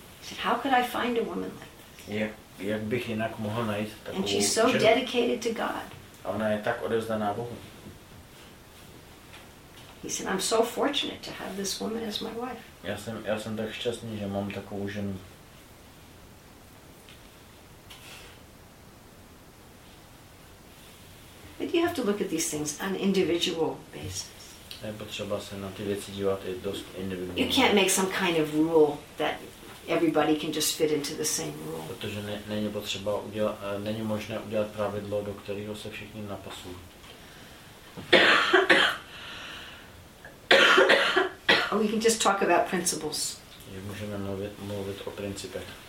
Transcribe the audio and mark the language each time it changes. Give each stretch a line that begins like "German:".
English: He said, how could I find a woman like this?
Czech: Jak bych jinak mohl najít takovou?
English: And she's so dedicated to God.
Czech: A ona je tak odevzdaná Bohu.
English: He said, I'm so fortunate to have this woman as my wife.
Czech: Já jsem tak šťastný, že mám takovou ženu.
English: But you have to look at these things on an individual basis.
Czech: Je potřeba se na ty věci dívat i dost individuálně.
English: You can't make some kind of rule that everybody can just fit into the same rule.
Czech: Protože není možné udělat pravidlo, do kterého se všichni napasují.
English: Or we can just talk about principles.
Czech: Můžeme mluvit o principech.